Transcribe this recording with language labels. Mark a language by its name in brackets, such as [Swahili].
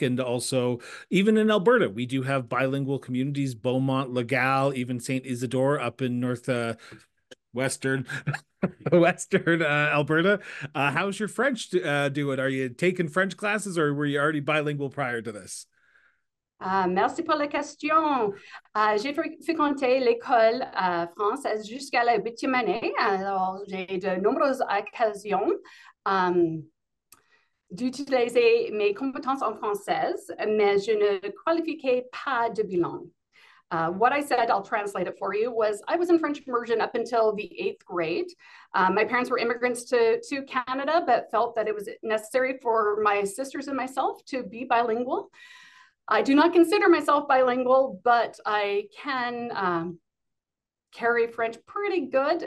[English] And also even in Alberta, we do have bilingual communities, Beaumont, Legal, even St. Isidore up in North Western Alberta. How's your French doing? Are you taking French classes or were you already bilingual prior to this? [French] Merci pour la question. J'ai fréquenté l'école française jusqu'à la 8e année. Alors, j'ai de nombreuses occasions d'utiliser mes compétences en français, mais je ne qualifiais pas de bilan. [English] What I said, I'll translate it for you, was I was in French immersion up until the 8th grade. My parents were immigrants to Canada, but felt that it was necessary for my sisters and myself to be bilingual. I do not consider myself bilingual, but I can carry French pretty good.